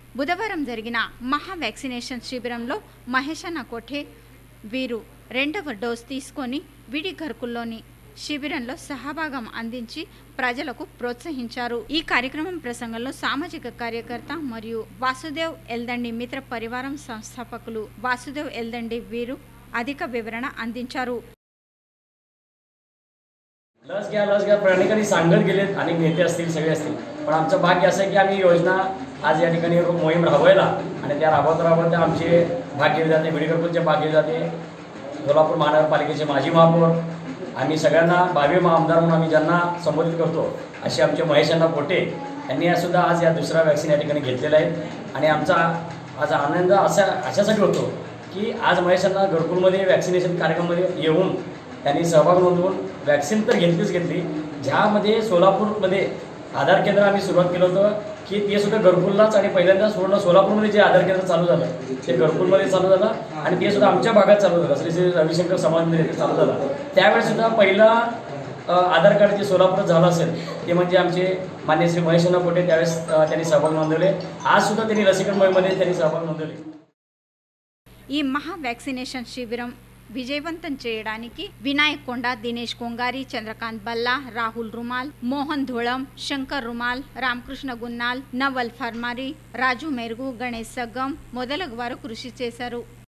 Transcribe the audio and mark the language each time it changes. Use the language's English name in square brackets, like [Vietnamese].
[Telugu] బుధవారం జరిగిన మహా వ్యాక్సినేషన్ శిబిరంలో మహేశన కోఠే వీరు 2వ డోస్ తీసుకొని విడిఘర్కుల్లోని శిబిరంలో సహభాగం అందించి ప్రజలకు ప్రోత్సహించారు. ఈ కార్యక్రమం ప్రసంగంలో సామాజిక కార్యకర్త మరియు వాసుదేవ్ ఎల్దండి మిత్ర పరివారం సంస్థాపకులు వాసుదేవ్ ఎల్దండి వీరు అధిక వివరణ అందించారు. [Marathi] लस घ्या प्रणिकांनी सांगत गेलेत अनेक नेते असतील सगळे असतील, पण आमचं भाग्य असं आहे की आम्ही योजना आज या ठिकाणी एक मोहीम राबवायला आणि त्या राबवत राबवत आमचे भाग्य जाते विडीकरपूरचे भाग्य जाते सोलापूर महानगरपालिकेचे माजी महापौर आम्ही सगळ्यांना भावी आमदार म्हणून आम्ही ज्यांना संबोधित करतो असे आमचे महेशण्णा पोटे यांनी सुद्धा आज या दुसरा वॅक्सिन या ठिकाणी घेतलेला आहे आणि आमचा आज आनंद असा अशासाठी होतो की आज महेशण्णा गडकुलमध्ये वॅक्सिनेशन कार्यक्रममध्ये येऊन त्यांनी सहभाग नोंदवून वॅक्सिन तर घेतलीच घेतली ज्यामध्ये सोलापूरमध्ये आधार केंद्र आम्ही सुरुवात केलं होतं की ते सुद्धा गडकुललाच आणि पहिल्यांदा पूर्ण सोलापूरमध्ये जे आधार केंद्र चालू झालं ते गडकुलमध्ये चालू झालं आणि ते सुद्धा आमच्या भागात चालू झालं श्री श्री रविशंकर समाजमध्ये चालू झालं त्यावेळेसुद्धा पहिला आधार कार्ड जे सोलापूरात झालं असेल ते म्हणजे आमचे माननीय श्री महेशण्णा पोटे त्यावेळेस त्यांनी सहभाग नोंदवले आजसुद्धा त्यांनी लसीकरण मोहिमेमध्ये त्यांनी सहभाग नोंदवले. [Telugu] ఈ మహా వ్యాక్సినేషన్ శిబిరం విజయవంతం చేయడానికి వినాయక్ కొండ, దినేష్ కొంగారి, చంద్రకాంత్ బల్లా, రాహుల్ రుమాల్, మోహన్ ధోళం, శంకర్ రుమాల్, రామకృష్ణ గున్నాల్, నవల్ ఫర్మారి, రాజు మెరుగు, గణేష్ సగ్గం మొదలగు వారు కృషి చేశారు.